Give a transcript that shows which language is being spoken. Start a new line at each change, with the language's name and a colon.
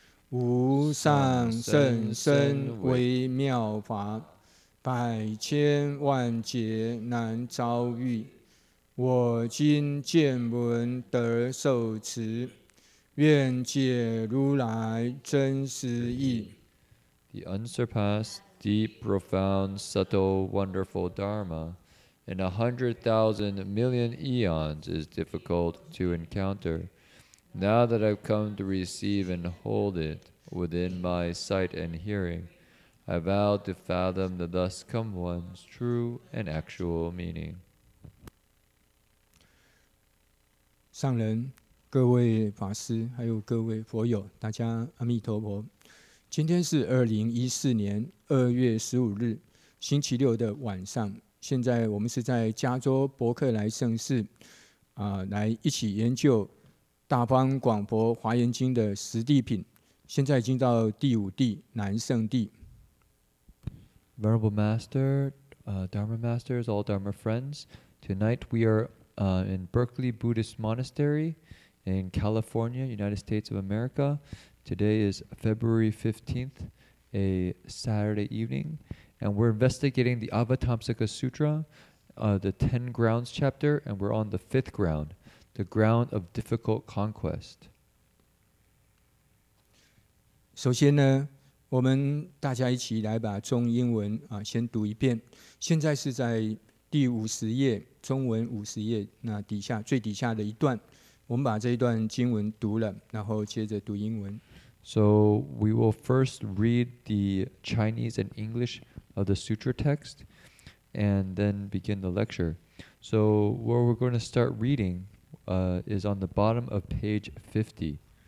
Chinese: 无上甚深微妙法，百千万劫难遭遇。我今见闻得受持，愿解如来真实义。
English: The unsurpassed, deep, profound, subtle, wonderful Dharma in 100,000 million eons is difficult to encounter. Now that I've come to receive and hold it within my sight and hearing, I vow to fathom the thus come one's true and actual meaning.
Chinese: 上人、各位法师还有各位佛友，大家阿弥陀佛。今天是2014年2月15日，星期六的晚上。现在我们是在加州伯克莱圣寺、来一起研究大方广佛华严经的十地品，现在已经到第五地南圣地。
English: Venerable Master, Dharma Masters, all Dharma friends, tonight we are in Berkeley Buddhist Monastery in California, United States of America. Today is February 15th, a Saturday evening. And we're investigating the Avatamsaka Sutra, the 10 grounds chapter, and we're on the fifth ground, the ground of difficult conquest.
Chinese: 首先呢，我们大家一起来把中英文、先读一遍。现在是在第50页，中文50页，那底下最底下的一段，我们把这一段经文读了，然后接着读英文。
English: So we will first read the Chinese and English of the sutra text, and then begin the lecture. So where we're going to start reading is on the bottom of page 50.